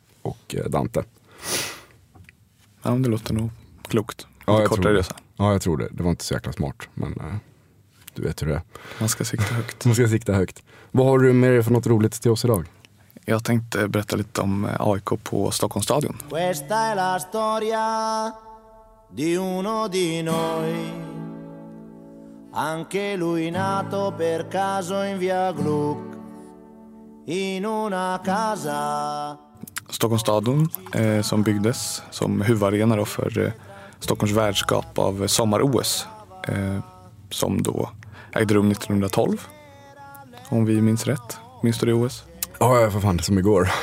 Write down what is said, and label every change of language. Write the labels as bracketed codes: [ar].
[sv] Och Dante. Ja, det låter nog klokt. Ja, jag tror det. Det var inte så jäkla smart. Men du vet hur det är. Man ska sikta högt. Man ska sikta högt. Vad har du med dig för något roligt till oss idag? Jag tänkte berätta lite om AIK på Stockholmsstadion. [it] Questa è la storia di uno di noi. Anche lui nato per caso in via Gluck. In una casa. [sv] Stockholmsstadion som byggdes som huvudarena då för Stockholms värdskap av sommar-OS som då ägde rum 1912, om vi minns rätt. Minns du det OS? Ja, för fan, det som igår.